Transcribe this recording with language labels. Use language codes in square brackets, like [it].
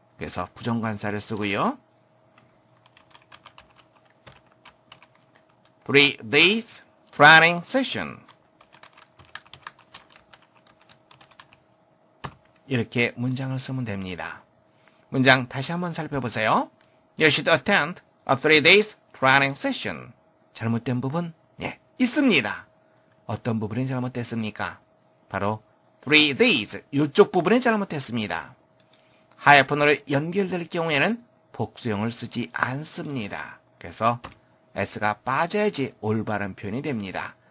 [ko] 그래서 부정관사를 쓰고요. [en] 3 days training session [ko] 이렇게 문장을 쓰면 됩니다. 문장 다시 한번 살펴보세요. [en] You should attend a 3 days training session. [ko] 잘못된 부분? 예, 있습니다. 어떤 부분이 잘못됐습니까? 바로 [en] 3 days [ko] 이쪽 부분이 잘못됐습니다. 하이퍼너로 연결될 경우에는 복수형을 쓰지 않습니다. 그래서 S가 빠져야지 올바른 표현이 됩니다.